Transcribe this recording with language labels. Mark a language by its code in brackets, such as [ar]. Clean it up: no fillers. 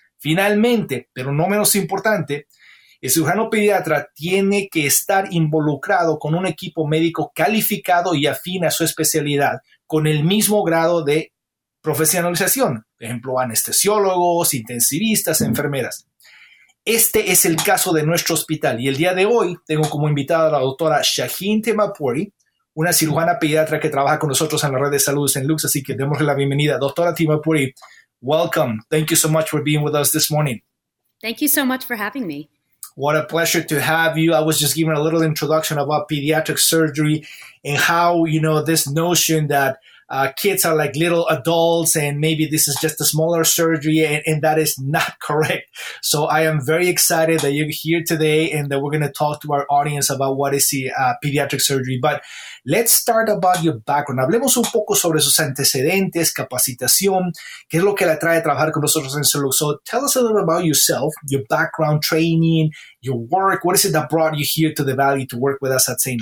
[es] Finalmente, pero no menos importante, el cirujano pediatra tiene que estar involucrado con un equipo médico calificado y afín a su especialidad con el mismo grado de profesionalización, por ejemplo, anestesiólogos, intensivistas, enfermeras. Este es el caso de nuestro hospital y el día de hoy tengo como invitada a la doctora Shaheen Timmapuri, una cirujana pediatra que trabaja con nosotros en la red de salud St. Luke's, así que démosle la bienvenida. Doctora Timmapuri, [en] welcome. Thank you so much for being with us this morning. Thank you so much for having me. What a pleasure to have you. I was just giving a little introduction about pediatric surgery and how, you know, this notion that kids are like little adults and maybe this is just a smaller surgery and that is not correct. So I am very excited that you're here today and that we're going to talk to our audience about what is the pediatric surgery. But let's start about your background. [es] Hablemos un poco sobre sus antecedentes, capacitación, qué es lo que la trae a trabajar con nosotros en St. [en] Luke's. So tell us a little about yourself, your background, training, your work. What is it that brought you here to the Valley to work with us at St.